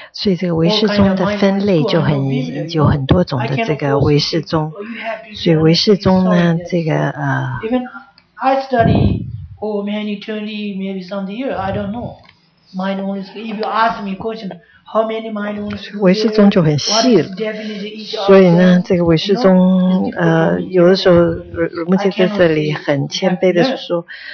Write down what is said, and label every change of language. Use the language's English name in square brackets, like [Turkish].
[Chinese] 所以这个唯识中的分类就很有很多种的这个唯识中。所以唯识中呢，这个 [English] Even I study for many 20 maybe some year, I don't know. Mind only school. If you ask me question, how many mind only school? [Chinese] 唯识中就很细了。所以呢，这个唯识中有的时候，如木姐在这里很谦卑的说。